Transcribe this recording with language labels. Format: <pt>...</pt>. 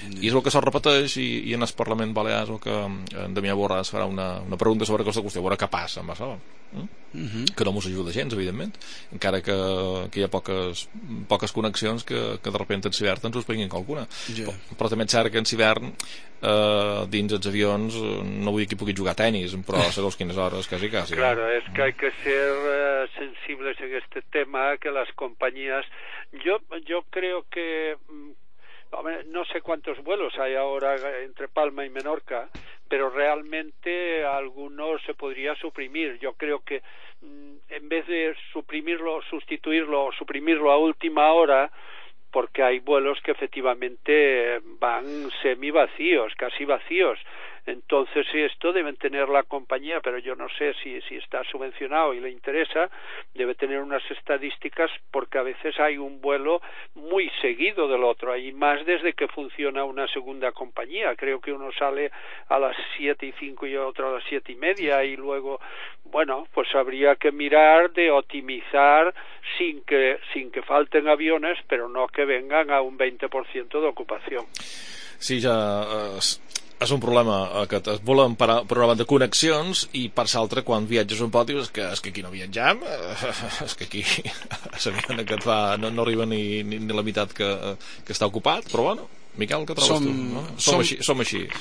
<ca>I és el que se'l repeteix i en el Parlament Balear és el que en Damià Borràs es farà una pregunta sobre aquesta qüestió, a veure què passa amb això. Que no mos ajuda gens, evidentment, encara que hi ha poques connexions que de repente en hivern ens ho prenguin qualcuna. Yeah. Però també és cert que en hivern dins els avions no vull dir que hi pugui jugar a tenis, però segons quines hores, quasi.</ca> <es>Claro, es que hay que ser sensibles a este tema, que las compañías... Yo creo que... No sé cuántos vuelos hay ahora entre Palma y Menorca, pero realmente alguno se podría suprimir. Yo creo que en vez de suprimirlo, sustituirlo o suprimirlo a última hora, porque hay vuelos que efectivamente van semi vacíos, casi vacíos. Entonces esto deben tener la compañía, pero yo no sé si está subvencionado y le interesa, debe tener unas estadísticas, porque a veces hay un vuelo muy seguido del otro, y más desde que funciona una segunda compañía. Creo que uno sale a las 7:05 y otro a las 7:30, y luego, bueno, pues habría que mirar de optimizar sin que falten aviones, pero no que vengan a un 20% de ocupación.</es> <ca>Sí, ja... És un problema que es volen parar per una banda de connexions i per l'altra quan viatges un poc dius que aquí no viatjam, és que aquí s'havien que fa, no arriba ni la meitat que està ocupat, però bueno, Miquel, què trobes tu? No? Som així.</ca>